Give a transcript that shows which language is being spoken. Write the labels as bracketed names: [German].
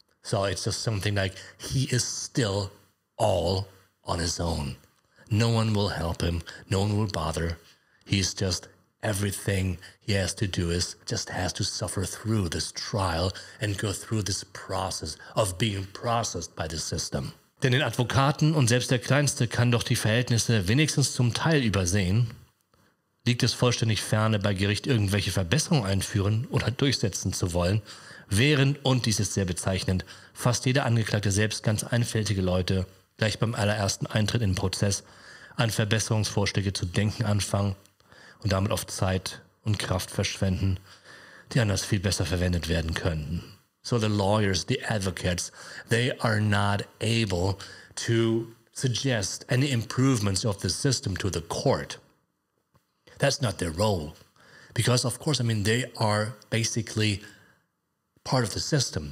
[English] So it's just something like he is still all on his own. No one will help him. No one will bother. He's just everything he has to do is just has to suffer through this trial and go through this process of being processed by the system. [German] Denn den Advokaten und selbst der Kleinste kann doch die Verhältnisse wenigstens zum Teil übersehen. Liegt es vollständig ferne, bei Gericht irgendwelche Verbesserungen einführen oder durchsetzen zu wollen, während, und dies ist sehr bezeichnend, fast jeder Angeklagte, selbst ganz einfältige Leute, gleich beim allerersten Eintritt in den Prozess, an Verbesserungsvorschläge zu denken anfangen und damit oft Zeit und Kraft verschwenden, die anders viel besser verwendet werden könnten. [English] So the lawyers, the advocates, they are not able to suggest any improvements of the system to the court. That's not their role. Because of course, I mean, they are basically part of the system.